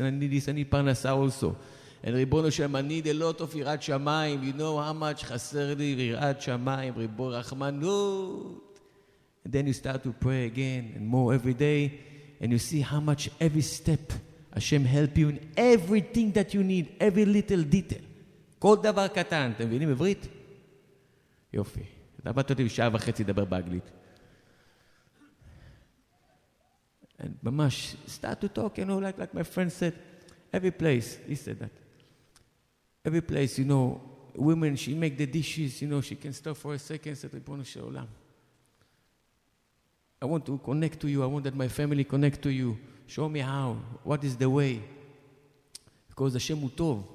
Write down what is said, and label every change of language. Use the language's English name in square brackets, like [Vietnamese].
[English] I need parnasa also. And Ribono Shel Olam, I need a lot of irat shamayim. You know how much [Hebrew] chaser li [English] irat shamayim, Ribono Rachmanut. And then you start to pray again and more every day. And you see how much every step Hashem help you in everything that you need, every little detail. [Hebrew] כל דבר קטן, אתם מבינים עברית? יופי. דברת אותי בשעה וחצי לדבר באנגלית. [English] And [Hebrew] ממש, [English] start to talk, you know, like my friend said, every place, he said that. Every place, you know, women, she make the dishes, you know, she can stop for a second, said, Ribono Shel Olam. I want to connect to you, I want that my family connect to you. Show me how, what is the way. Because Hashem [Hebrew] הוא טוב.